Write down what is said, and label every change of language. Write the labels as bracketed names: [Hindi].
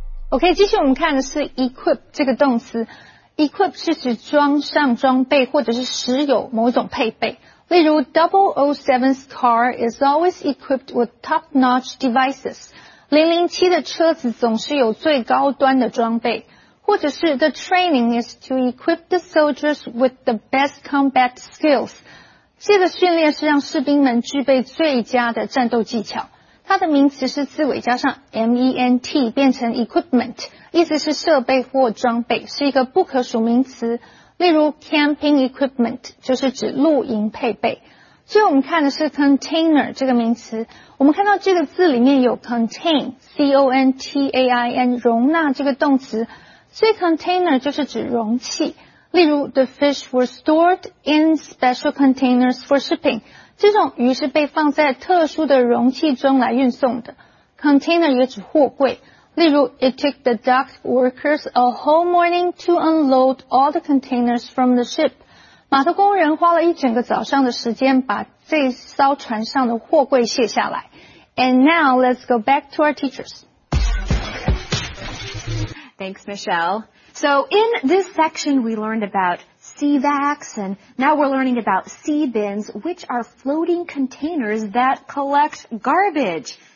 [Chinese] OK, 继续我们看的是 equip 这个动词。equip 是指装上装备或者是持有某种配备。 [English] 例如 007's car is always equipped with top-notch devices. [Chinese] 007的车子总是有最高端的装备。或者是 [English] the training is to equip the soldiers with the best combat skills. [Chinese] 这个训练是让士兵们具备最佳的战斗技巧。它的名词是字尾加上 ment 变成 equipment， 意思是设备或装备，是一个不可数名词。例如 camping equipment 就是指露营配备。最后我们看的是 container 这个名词，我们看到这个字里面有 contain contain 容纳这个动词，所以 container 就是指容器。例如 [English] the fish were stored in special containers for shipping， [Chinese] 这种鱼是被放在特殊的容器中来运送的。 Container 也指货柜。 [English] 例如 ,It took the dock workers a whole morning to unload all the containers from the ship. [Chinese] 码头工人花了一整个早上的时间把这艘船上的货柜卸下来。 [English] And now let's go back to our teachers. Thanks, Michelle. So in this section, we learned about sea vacs, and now we're learning about sea bins, which are floating containers that collect garbage.